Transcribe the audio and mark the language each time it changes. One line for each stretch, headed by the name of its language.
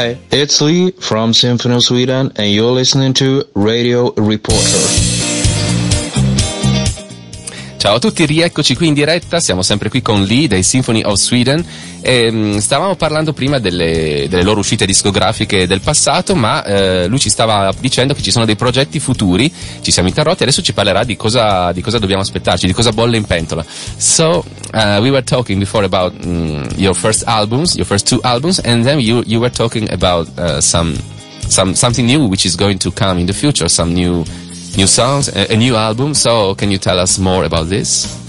English: It's Lee from Symphony of Sweden, and you're listening to Radio Reporter.
Italian: Ciao a tutti, rieccoci qui in diretta, siamo sempre qui con Lee dei Symphony of Sweden. Stavamo parlando prima delle loro uscite discografiche del passato, ma lui ci stava dicendo che ci sono dei progetti futuri. Ci siamo interrotti, adesso ci parlerà di cosa dobbiamo aspettarci, di cosa bolle in pentola.
English: So we were talking before about your first albums, your first two albums, and then you were talking about something new which is going to come in the future, some new songs, a new album. So can you tell us more about this?